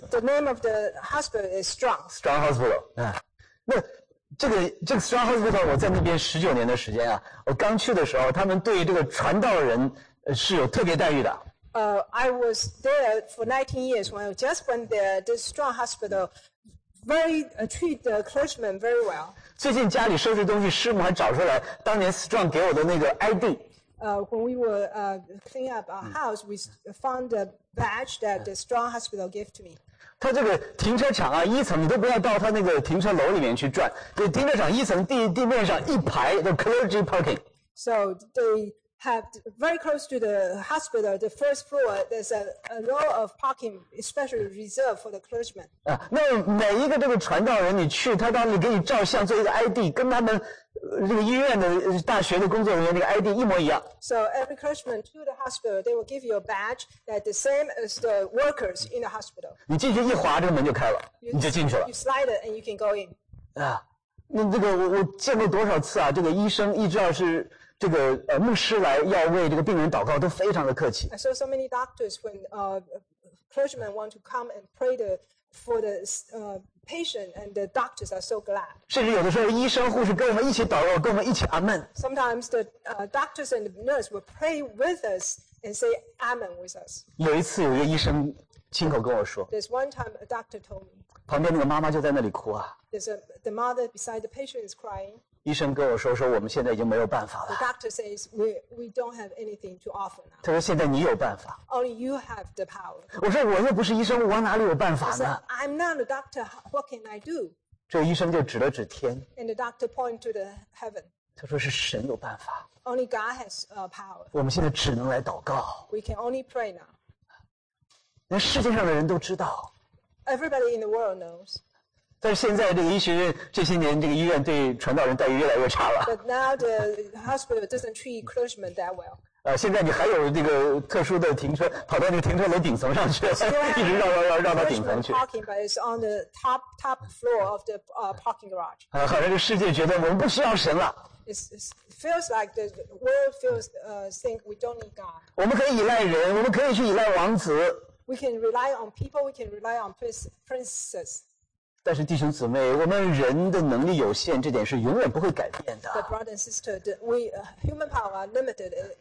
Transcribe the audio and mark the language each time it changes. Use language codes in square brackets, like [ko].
[en] The name of the hospital is Strong. Strong Hospital. [zh] 啊、那这个 Strong Hospital， 我在那边19年的时间啊，我刚去的时候，他们对于这个传道人是有特别待遇的。 [en] I was there for 19 years when I just went there. This Strong Hospital. Very treat the clergyman very well. [zh] 最近家里收拾东西，师母还找出来当年 Strong 给我的那个 ID. [en] When we were cleaning up our house, we found the badge that the Strong Hospital gave to me. [zh] 他这个停车场啊，一层你都不要到他那个停车楼里面去转，对，停车场一层地面上一排的 [en] clergy parking. So they have very close to the hospital, the first floor, there's a row of parking, especially reserved for the clergyman. [zh] 啊，那每一个这个传道人，你去，他当时给你照相，做一个 ID， 跟他们这个医院的大学的工作人员那个 ID 一模一样。 [en] So every clergyman to the hospital, they will give you a badge that the same as the workers in the hospital. [zh] 你进去一滑，这个门就开了， [en] you, [zh] 你就进去了。 [en] You slide it and you can go in. [zh] 啊，那这个我见过多少次啊？这个医生一知道是。这个牧师来要为这个病人祷告，都非常的客气。 [en] I saw so many doctors when clergymen want to come and pray for the patient, and the doctors are so glad. [zh] 甚至有的时候，医生护士跟我们一起祷告，跟我们一起阿门。 [en] Sometimes the doctors and the nurse will pray with us and say amen with us. [zh] 有一次，有一个医生亲口跟我说。 [en] There's one time a doctor told me. [zh] 旁边那个妈妈就在那里哭啊。 [en] There's the mother beside the patient is crying. [zh] 医生跟我说我们现在已经没有办法了。 [en] The doctor says we don't have anything to offer now. [zh] 他说现在你有办法。 [en] Only you have the power. [zh] 我说我又不是医生，我哪里有办法呢 [en] ？I'm not a doctor. What can I do? [zh] 这医生就指了指天。 [en] And the doctor pointed to the heaven. [zh] 他说是神有办法。 [en] Only God has power. [zh] 我们现在只能来祷告。 [en] We can only pray now. [zh] 那世界上的人都知道。 [en] Everybody in the world knows. [zh] 但是现在这个医学院这些年，这个医院对传道人待遇越来越差了。 [en] But now the hospital doesn't treat clergymen that well. [zh] 现在你还有那个特殊的停车，跑到那个停车楼顶层上去，一直绕到顶层去。 [en] Parking, but it's on the top floor of the parking garage. [zh] 好像这世界觉得我们不需要神了。 [en] It feels like the world feels think we don't need God. [zh] 我们可以依赖人，我们可以去依赖王子。 [en] We can rely on people. We can rely on princes. [zh] 但是弟兄姊妹，我们人的能力有限，这点是永远不会改变的。 [en] The brother and sister, human power are limited.